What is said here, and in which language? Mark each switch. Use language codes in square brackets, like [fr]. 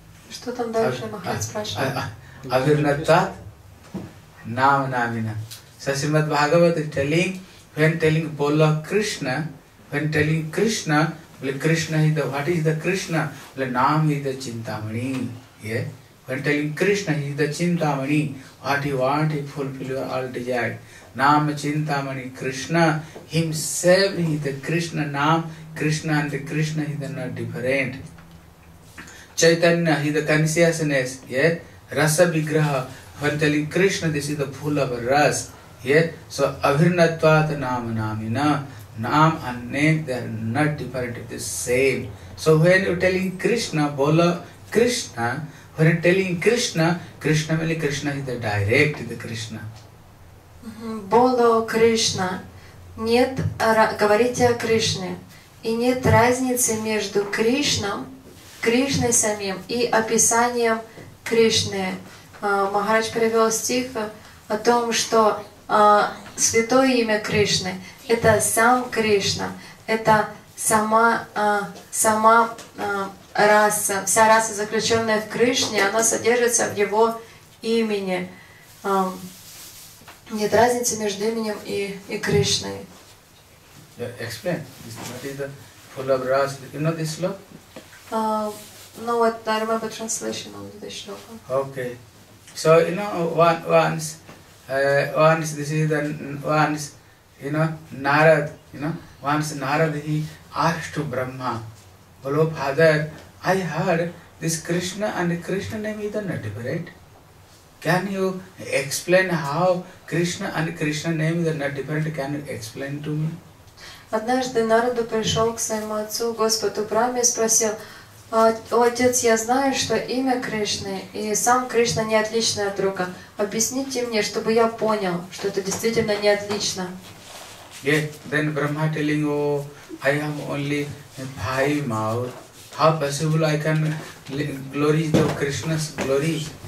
[ru] Что там дальше Махарадж спрашивает? [sa] Авирнатат нам намина. [en] So Srimad Bhagavat is telling, when telling Bola Krishna, when telling Krishna, Krishna is the, what is the Krishna? Nam is the Chintamani. Yeah? When telling Krishna, he is the Chintamani. What he wants, he fulfills all desire. Nam Chintamani Krishna, himself is the Krishna. Nam Krishna and the Krishna is not different. Chaitanya is the consciousness. Yeah? Rasa Vigraha. When telling Krishna, this is the full of Ras. Yeah, so Abhirnatvat Nam Namina, Nam and name, they are not different, it is same. So when you are telling Krishna, Bola Krishna, when you are telling Krishna, Krishna means Krishna is the direct the Krishna. [ru] Bola Krishna, нет, говорите о Кришне, и нет разницы между Кришном, Кришной самим, и описанием Кришны. Махарадж привел стих о том, что святое имя Кришны — это сам Кришна, это сама, сама раса, вся раса, заключенная в Кришне, она содержится в Его имени. Нет разницы между именем и Кришной. [en] Yeah, explain. This is not the full of rasa. You know this slok? No, what, I remember translation of the slok. Okay. So, you know, once, once this is the once, you know, Narad, you know, once Narad he asked to Brahma, Hello Father, I heard this Krishna and Krishna name is not different. Can you explain how Krishna and Krishna name is not different? Can you explain to me? [ru] Однажды Нараду пришел к своему отцу, Господу Брахме, и спросил, Отец, я знаю, что имя Кришны и сам Кришна не отличны от друга. Объясните мне, чтобы я понял, что это действительно не отлично. [en] Yeah, then Brahma telling, oh, I have only five mouth. How possible I can glory the Krishna's glory?